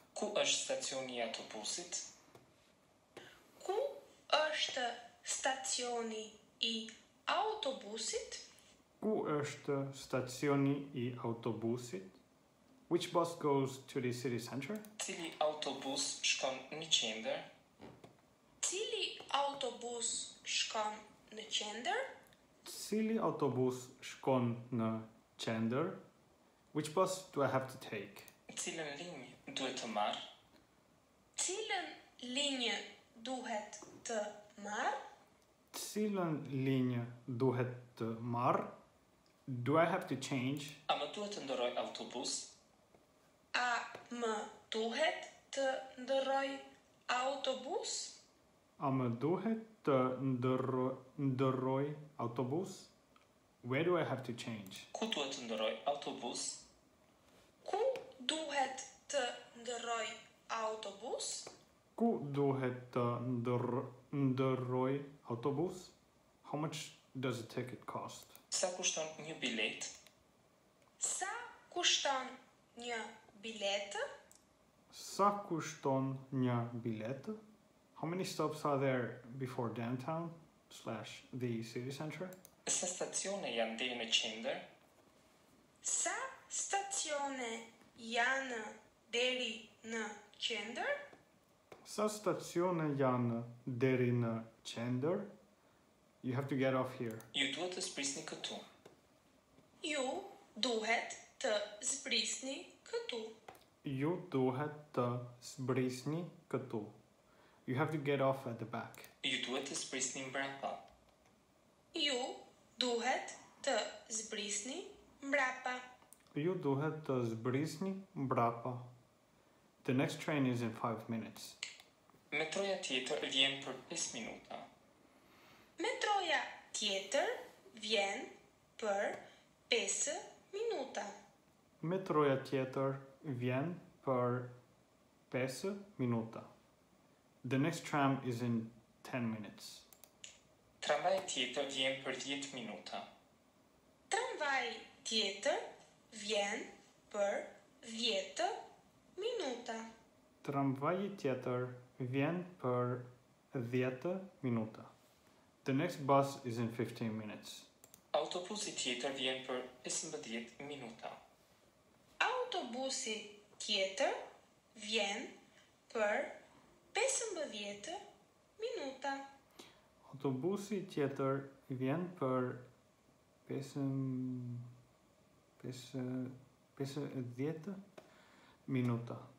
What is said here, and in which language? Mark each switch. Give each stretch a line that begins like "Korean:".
Albanian: Ku është stacioni I autobusit? Ku është stacioni I autobusit? Ku është stacioni I autobusit?
English: Which bus goes to the city center?
Albanian: Cili autobus shkon në qendër? Cili autobus shkon në qendër? Cili autobus shkon në qendër?
English: Which bus do I have to take?
Albanian: Cilën linjë duhet të marr? Cilën linjë duhet të marr? Cilën linjë duhet të marr?
English: Do I have to change?
Albanian: A më duhet të ndërroj autobus? A më duhet të ndërroj autobus? A më duhet të ndërroj autobus?
English: Where do I have to change?
Albanian: Ku duhet të ndërroj autobus? Ku duhet të ndërroj autobus? Ku duhet të ndërroj autobus?
English: How much does a ticket cost?
Albanian: Sa kushton një biletë? Sa kushton një biletë? Sa kushton një biletë?
English: How many stops are there before downtown / the city center?
Albanian: Sa stacione janë deri në qendër? Sa stacione janë deri në qendër? Sa stacione janë deri në qendër?
English: You have to get off here.
Albanian: Ju duhet të zbrisni këtu. Ju duhet të zbrisni këtu. Ju duhet të zbrisni këtu.
English: You have to get off at the back.
Albanian: Ju duhet të zbrisni mbrapa. Ju duhet të zbrisni mbrapa. Ju duhet të zbrisni mbrapa.
English: The next train is in 5 minutes.
Albanian: Metroja tjetër vjen për 5 minuta. Metroja tjetër vjen për 5 minuta. Metroja tjetër vjen për 5 minuta.
English: The next tram is in 10 minutes.
Albanian: Tramvaj tjetër vjen për 10 minuta. Tramvaj tjetër vjen për 10 minuta. Tramvaji tjetër vjen për 10 minuta.
English: The next bus is in 15 minutes.
Albanian: Autobusi tjetër vjen për 15 minuta. Autobusi tjetër vjen për 15 minuta. Autobusi tjetër vjen për 15 minuta.